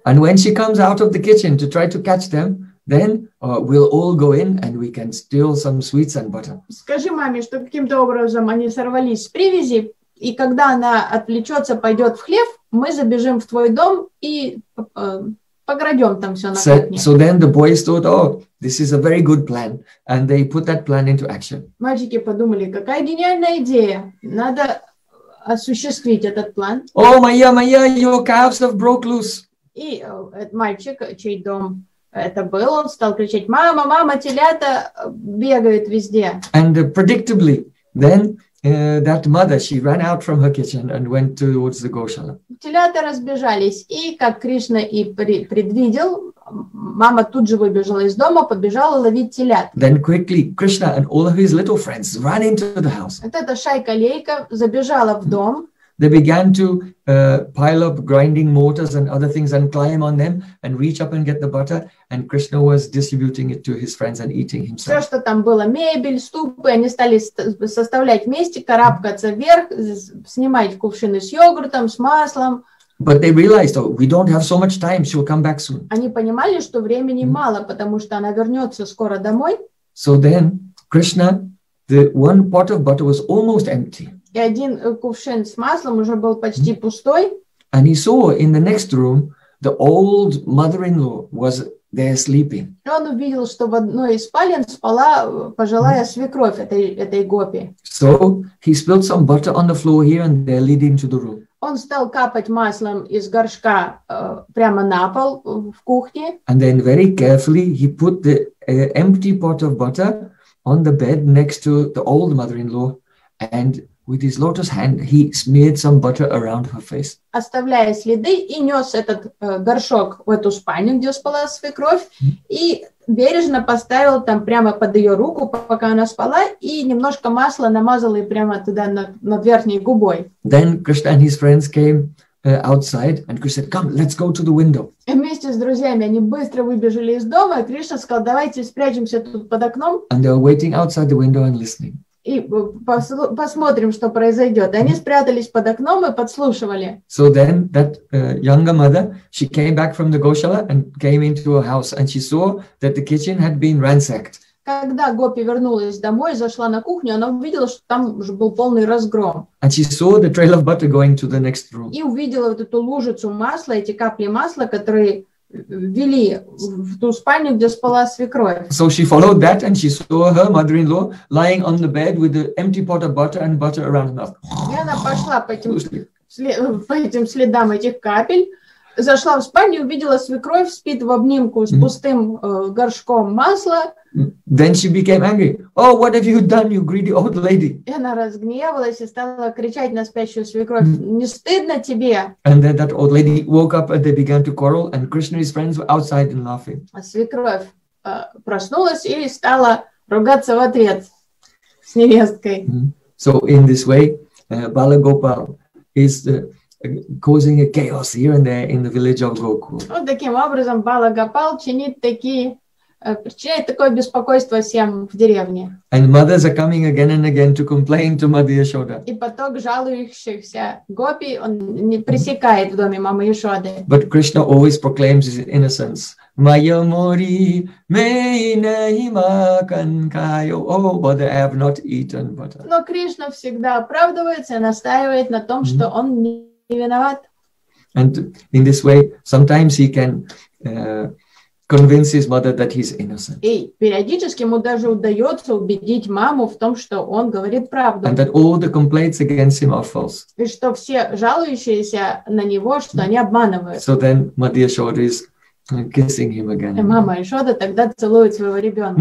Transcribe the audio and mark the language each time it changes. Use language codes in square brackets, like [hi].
[en] And when she comes out of the kitchen to try to catch them, then we'll all go in and we can steal some sweets and butter. [ru] Скажи маме, что каким-то образом они сорвались с привязи, и когда она отвлечется, пойдет в хлев, мы забежим в твой дом и пограбим там все на кухне. [en] So then the boys thought, oh, this is a very good plan, and they put that plan into action. [ru] Мальчики подумали, какая гениальная идея, надо осуществить этот план. [en] Oh, Maya, Maya, your calves have broke loose. [ru] И мальчик, чей дом это был, он стал кричать, мама, мама, телята бегают везде. [en] And predictably, then that mother, she ran out from her kitchen and went towards the Goshala. [ru] Телята разбежались, и как Кришна и предвидел, мама тут же выбежала из дома, побежала ловить телят. [en] Then quickly, Krishna and all of his little friends ran into the house. [ru] Вот эта шайка-лейка забежала в дом. [en] They began to pile up grinding mortars and other things and climb on them and reach up and get the butter. And Krishna was distributing it to his friends and eating himself. [ru] Все, что там было, мебель, ступы, они стали составлять вместе, карабкаться вверх, снимать кувшины с йогуртом, с маслом. [en] But they realized, oh, we don't have so much time, she will come back soon. [ru] Они понимали, что времени мало, потому что она вернется скоро домой. [en] So then, Krishna, the one pot of butter was almost empty. [ru] И один кувшин с маслом уже был почти пустой. [en] And he saw in the next room, the old mother-in-law was there sleeping. [ru] И он увидел, что в одной из спален спала пожилая свекровь этой гопи. [en] So he spilled some butter on the floor here and there leading to the room. [ru] Он стал капать маслом из горшка прямо на пол в кухне. [en] And then very carefully he put the empty pot of butter on the bed next to the old mother-in-law and with his lotus hand he smeared some butter around her face. [ru] Оставляя следы и нес этот горшок в эту спальню, где спала свекровь, и бережно поставил там прямо под ее руку, пока она спала, и немножко масла намазал ей прямо туда над верхней губой. [en] Then Krishna and his friends came outside, and Krishna said, "Come, let's go to the window." [ru] И вместе с друзьями они быстро выбежали из дома. Кришна сказал, "Давайте спрячемся тут под окном." [en] And they were waiting outside the window and listening. [ru] И посмотрим, что произойдет. Они спрятались под окном и подслушивали. [en] So then that younger mother, she came back from the Goshala and came into her house and she saw that the kitchen had been ransacked. [ru] Когда гопи вернулась домой, зашла на кухню, она увидела, что там уже был полный разгром. [en] And she saw the trail of butter going to the next room. [ru] И увидела вот эту лужицу масла, эти капли масла, которые вели в ту спальню, где спала свекровь. [en] So she followed that and she saw her mother-in-law lying on the bed with the empty pot of butter and butter around her mouth. [ru] И она пошла по этим следам этих капель, зашла в спальню, увидела свекровь спит в обнимку с пустым горшком масла. [en] Then she became angry. Oh, what have you done, you greedy old lady? [ru] И она разгневалась и стала кричать на спящую свекровь. Не стыдно тебе? [en] And then that old lady woke up and they began to quarrel and Krishna and his friends were outside and laughing. [ru] А свекровь проснулась и стала ругаться в ответ с невесткой. [en] So in this way, Bala Gopal is causing a chaos here and there in the village of Gokul. [ru] Вот таким образом Бала Гопал чинит такие причиняет такое беспокойство всем в деревне. [en] And mothers are coming again and again to complain to Mother Yashoda. [ru] И поток жалующихся гопи он не пресекает в доме мамы Яшоды. [en] But Krishna always proclaims his innocence. [hi] Maya mori me nahi makankayo. [en] Oh, but I have not eaten butter. [ru] Но Кришна всегда оправдывается и настаивает на том, что он не виноват. [en] And in this way, sometimes he can convince his mother that he's innocent. [ru] И периодически ему даже удается убедить маму в том, что он говорит правду. [en] And that all the complaints against him are false. [ru] И что все жалующиеся на него, что они обманывают. [en] So then Mother Yashoda is kissing him again. [ru] И мама Яшода тогда целует своего ребенка.